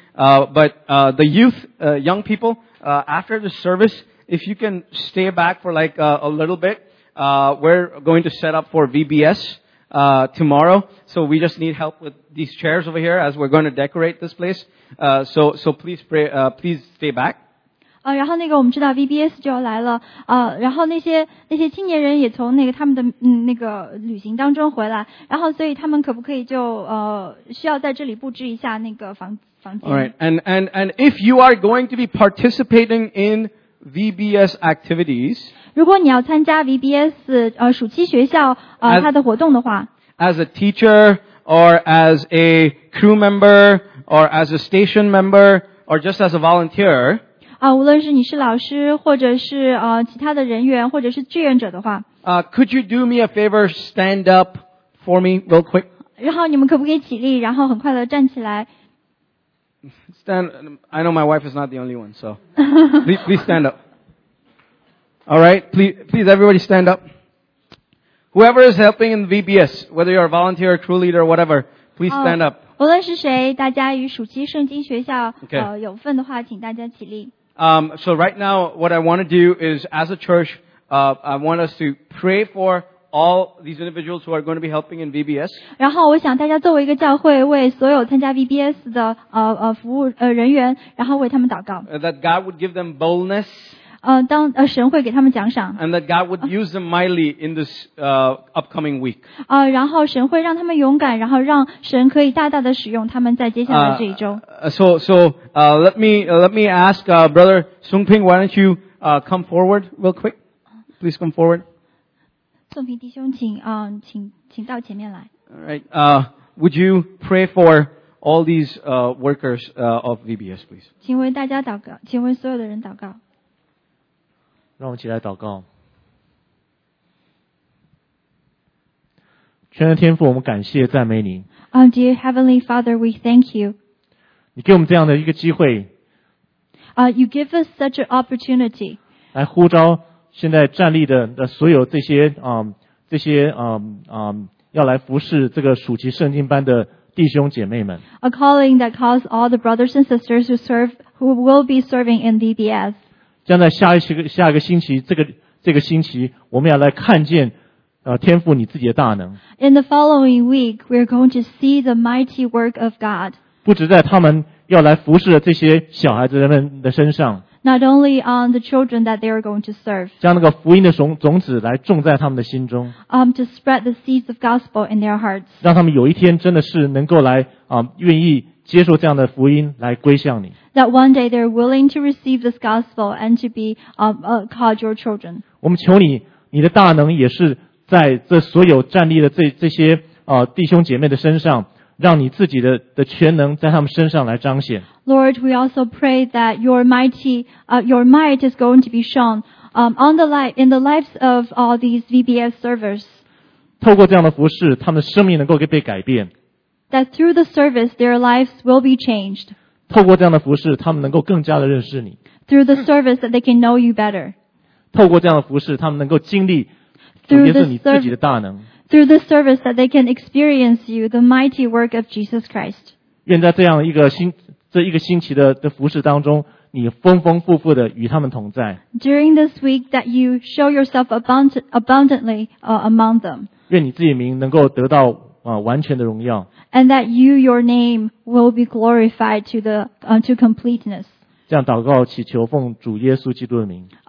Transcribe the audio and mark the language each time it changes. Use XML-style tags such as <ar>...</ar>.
<en>The youth, young people, after the service, if you can stay back for like, a little bit, we're going to set up for VBS, tomorrow. So we just need help with these chairs over here as we're going to decorate this place. So please pray, please stay back.</en> <zh>然后那个我们知道 VBS 就要来了然后那些青年人也从那个他们的那个旅行当中回来，然后所以他们可不可以就需要在这里布置一下那个房间</zh> <en>All right. And if you are going to be participating in VBS activities,</en> <zh>如果你要参加 VBS 暑期学校它的活动的话</zh> <en>as a teacher or as a crew member or as a station member or just as a volunteer,</en> <zh>无论是你是老师或者是其他的人员或者是志愿者的话。</zh> <en>Could you do me a favor, stand up for me real quick?</en> <zh>然后你们可不可以起立然后很快的站起来。</zh> <en>Stand, I know my wife is not the only one, so. please stand up. Alright, please everybody stand up. Whoever is helping in VBS, whether you're a volunteer, a crew leader, or whatever, please stand up.</en> <zh>无论是谁大家与暑期圣经学校、okay. 有份的话请大家起立。</zh> <en>So right now, what I want to do is, as a church, I want us to pray for all these individuals who are going to be helping in VBS.</en> <zh>然后我想大家作为一个教会，为所有参加 VBS 的服务人员，然后为他们祷告。</zh> <en>That God would give them boldness.</en> <zh>当神会给他们奖赏。</zh> <en>And that God would use them mightily in this upcoming week.</en> <zh>然后神会让他们勇敢，然后让神可以大大的使用他们在接下来这一周。</zh> <en>So let me ask Brother Sung Ping, why don't you come forward real quick? Please come forward.</en> <zh>宋平弟兄，请到前面来。</zh> <en>All right. Would you pray for all these workers of VBS, please?</en> <zh>请为大家祷告，请为所有的人祷告。让我们一起来祷告。全能天父，我们感谢赞美你。</zh> <en>Dear Heavenly Father, we thank you.</en> <zh>你给我们这样的一个机会。</zh> <en>You give us such an opportunity.</en> <zh>来呼召。现在站立的所有这些这些要来服侍这个暑期圣经班的弟兄姐妹们。</zh> <en>A calling that calls all the brothers and sisters who will be serving in VBS.</en> <zh>将在下一个星期这个星期我们要来看见天父你自己的大能。</zh> <en>In the following week, we're going to see the mighty work of God.</en> <zh>不只在他们要来服侍的这些小孩子人们的身上。</zh> <en>Not only on the children that they are going to serve.</en> <zh>将那个福音的种子来种在他们的心中。</zh> <en>To spread the seeds of gospel in their hearts.</en> <zh>让他们有一天真的是能够来愿意接受这样的福音来归向你。</zh> <en>That one day they're willing to receive this gospel and to be called your children.</en> <zh>我们求你的大能也是在这所有站立的这些弟兄姐妹的身上。让你自己的全能在他们身上来彰显。</zh> <en>Lord, we also pray that your might is going to be shown, in the lives of all these VBS servers.</en> <zh>透过这样的服事，他们的生命能够被改变。</zh> <en>That through the service, their lives will be changed.</en> <zh>透过这样的服事，他们能够更加的认识你。</zh> <en>Through the service, that they can know you better.</en> <zh>透过这样的服事，他们能够经历总结着你自己的大能。</zh> <en>Through this service that they can experience you, the mighty work of Jesus Christ.</en> <zh>愿在这样一个星期的服事当中，你丰丰富富的与他们同在。</zh> <en>During this week that you show yourself abundantly among them.</en> <zh>愿你自己名能够得到完全的荣耀。</zh> <en>And that you, your name, will be glorified to completeness.</en> <zh>这样祷告祈求奉主耶稣基督的名。</zh>